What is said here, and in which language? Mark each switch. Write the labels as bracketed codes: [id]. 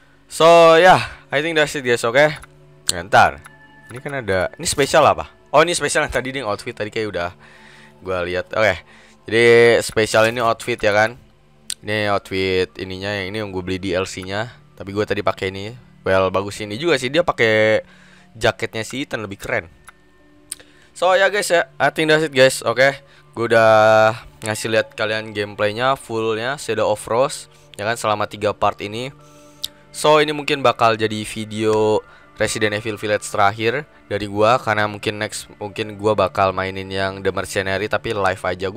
[en] So, yeah, I think that's it guys, oke? [id] Okay? Ntar. Ini kan ada, ini spesial apa? Oh, ini spesial yang tadi, ini outfit tadi kayak udah gue lihat. Oke, okay. Jadi spesial ini outfit ya kan? Ini outfit ininya, yang ini yang gue beli DLC-nya. Tapi gue tadi pakai ini. Well, bagus ini juga sih, dia pakai jaketnya si Ethan, lebih keren. [en] So, ya guys ya, I think that's it guys, oke? [id] Okay? Gue udah ngasih lihat kalian gameplaynya, fullnya, Shadow of Rose. Ya kan, selama 3 part ini. So, ini mungkin bakal jadi video Resident Evil Village terakhir dari gua, karena mungkin next mungkin gua bakal mainin yang The Mercenary tapi live aja.